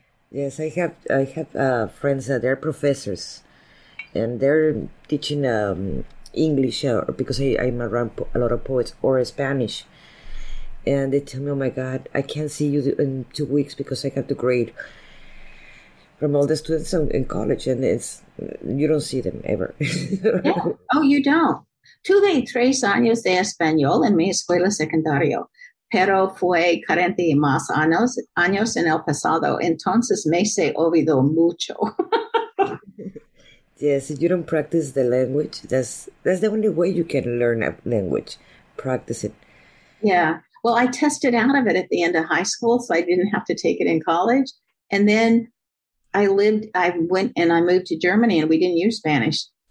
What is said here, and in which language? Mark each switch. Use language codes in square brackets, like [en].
[en] Yes, I have friends that are professors and they're teaching English because I'm around a lot of poets or Spanish. And they tell me, oh my God, I can't see you in 2 weeks because I have to grade from all the students in college and it's, you don't see them ever. Yeah. Oh, you don't. [es] Tuve tres años de español en mi escuela secundaria, pero fue 40 y más años en el pasado. Entonces me se olvidó mucho. [en] Yes, if you don't practice the language, that's the only way you can learn a language. Practice it. Yeah. Well, I tested out of it at the end of high school, so I didn't have to take it in college. And then I moved to Germany and we didn't use Spanish.